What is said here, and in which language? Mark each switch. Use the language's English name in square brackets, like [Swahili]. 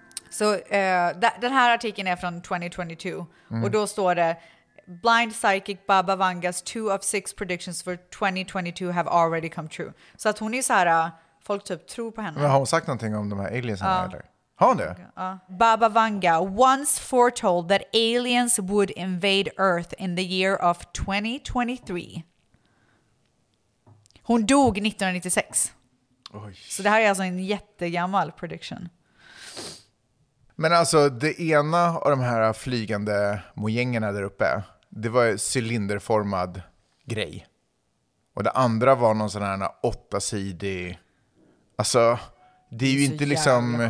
[Swedish] Så den här artikeln är från 2022 och då står det [English] Blind psychic Baba Vangas 2 of 6 predictions for 2022 have already come true. [Swedish] Så att hon är så här, folk typ tror på henne. Men har hon sagt någonting om de här aliens eller? Har hon det? [English] Baba Vanga once foretold that aliens would invade Earth in the year of 2023. [Swedish] Hon dog 1996. Oj. Så det här är alltså en jättegammal prediction. Men alltså, det ena av de här flygande mojängerna där uppe, det var en cylinderformad grej. Och det andra var någon sån här 8-sidig... Alltså, det är ju inte liksom...